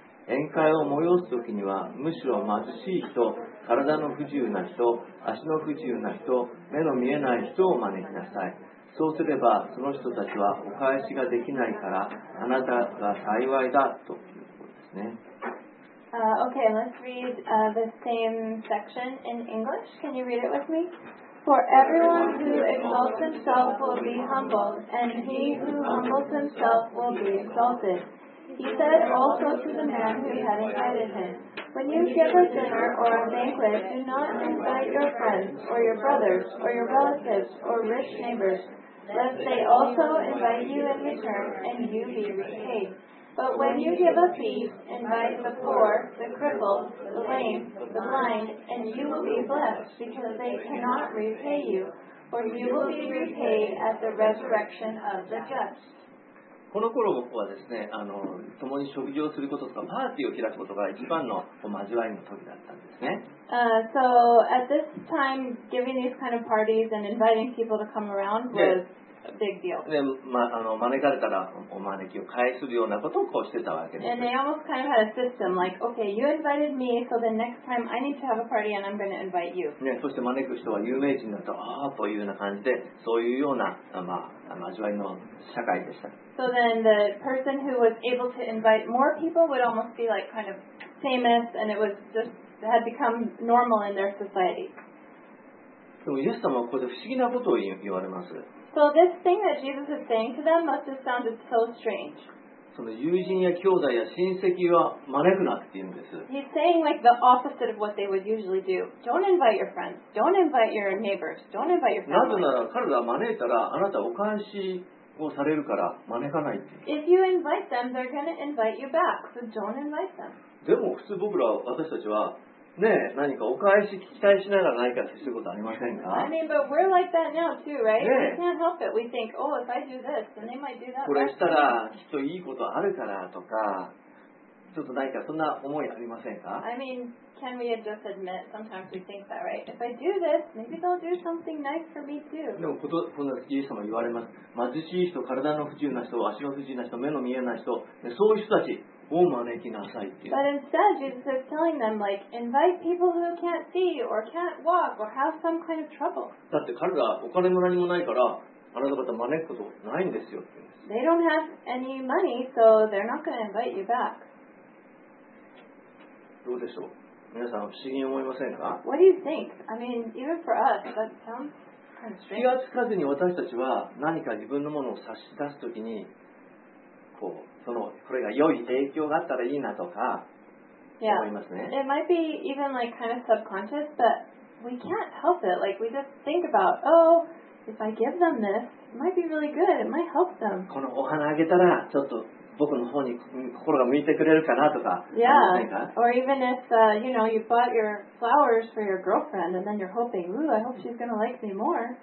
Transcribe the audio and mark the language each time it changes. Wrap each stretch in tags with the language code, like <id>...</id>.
<ja>宴会を催すときには、むしろ貧しい人、体の不自由な人、足の不自由な人、目の見えない人を招きなさい。そうすれば、その人たちはお返しができないから、あなたが幸いだということですね。</ja> <en>Okay, let's read the same section in English. Can you read it with me? For everyone who exalts himself will be humbled, and he who humbles himself will be exalted. He said also to the man who had invited him, When you give a dinner or a banquet, do not invite your friends or your brothers or your relatives or rich neighbors, lest they also invite you in return and you be repaid. But when you give a feast, invite the poor, the crippled, the lame, the blind, and you will be blessed because they cannot repay you, for you will be repaid at the resurrection of the just.</en> <ja>この頃はですね、共に食事をすることとかパーティーを開くことが一番の交わりの時だったんですね。</ja> <en>So at this time, giving these kind of parties and inviting people to come around was big deal.</en> <ja>で、ま、招かれたらお招きを返すようなことをこうしてたわけです。</ja> <en>And they almost kind of had a system like, okay, you invited me, so the next time I need to have a party and I'm going to invite you.、</en> <ja>ね、そして招く人は有名人だと、ああ、というような感じで、そういうような、交わりの社会でした。</ja> <en>So then the person who was able to invite more people would almost be like kind of famous and it was just had become normal in their society.</en> <ja>でもイエス様はここで不思議なことを言われます。</ja> <en>So this thing that Jesus is saying to them must have sounded so strange.</en> <ja>その友人や兄弟や親戚は招くなって言うんです。</ja> <en>He's saying like the opposite of what they would usually do. Don't invite your friends. Don't invite your neighbors. Don't invite your family.</en> <ja>なぜなら彼らを招いたらあなたお返しをされるから招かないって。</ja> <en>If you invite them, they're going to invite you back. So don't invite them.</en> <ja>でも普通僕ら私たちはね、何かお返し期待しながら何かすることありませんか？</ja> <en>I mean, but we're like that now too, right? We can't help it. We think, oh, if I do this, then they might do that.</en> <ja>これしたらきっといいことあるからとか、ちょっと何かそんな思いありませんか？</ja> <en>I mean, can we just admit sometimes we think that, right? If I do this, maybe they'll do something nice for me too.</en> <ja>でもこのイエス様言われます。貧しい人、体の不自由な人、足の不自由な人、目の見えない人、そういう人たち。を招きなさいっていう。</ja> <en>But instead, Jesus is telling them, like, invite people who can't see or can't walk or have some kind of trouble.</en> <ja>だって彼らお金も何もないから、あなた方招くことないんですよって言うんです。</ja> <en>They don't have any money, so they're not going to invite you back.</en> <ja>どうでしょう。皆さん不思議に思いませんか。</ja> <en>What do you think? I mean, even for us, that sounds kind of strange.</en> <ja>気がつかずに私たちは何か自分のものを差し出すときに、こう。そのこれが良い影響があったらいいなとか思いますね。</ja> <en>Yeah. It might be even like kind of subconscious, but we can't help it. Like we just think about, oh, if I give them this, it might be really good. It might help them.</en> <ja>このお花あげたらちょっと僕の方に心が向いてくれるかなとか。</ja> <en>Yeah. Or even if you know you bought your flowers for your girlfriend and then you're hoping, ooh, I hope she's gonna like me more.</en>